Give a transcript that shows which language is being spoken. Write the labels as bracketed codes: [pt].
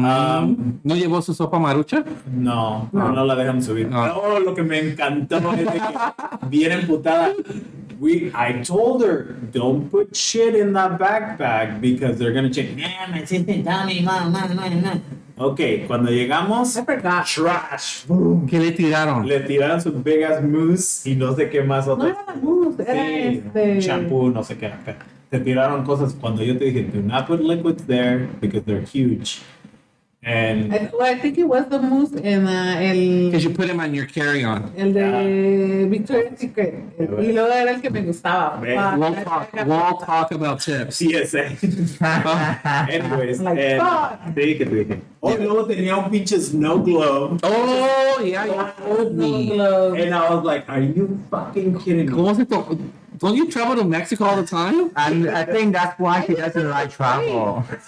[es] ¿No llevó su sopa marucha? No, no, no la dejan subir. No. Oh, lo que me encantó es de que bien emputada. [en] I told her, don't put shit in that backpack because they're going to check. [es] Man, me siento en Tommy, Okay, cuando llegamos, trash, boom. ¿Qué le tiraron? Le tiraron su [en] big ass mousse [es] y no sé qué más. Otro. No era mousse, era shampoo, no sé qué. Te tiraron cosas cuando yo te dije, [en] do not put liquids there because they're huge. And I think it was the mousse and el... Because you put them on your carry-on. [es] El de Victoria's Secret. Y luego era el que me gustaba. [en] We'll talk about tips. Yes, Anyways. Like, and fuck. [es] Oh, luego tenía un pinche snow globe. [en] Oh, yeah. Snow globe. And I was like, are you fucking kidding me? [es] ¿Cómo se tocó? [en] Don't you travel to Mexico all the time? And I think that's why he doesn't like travel.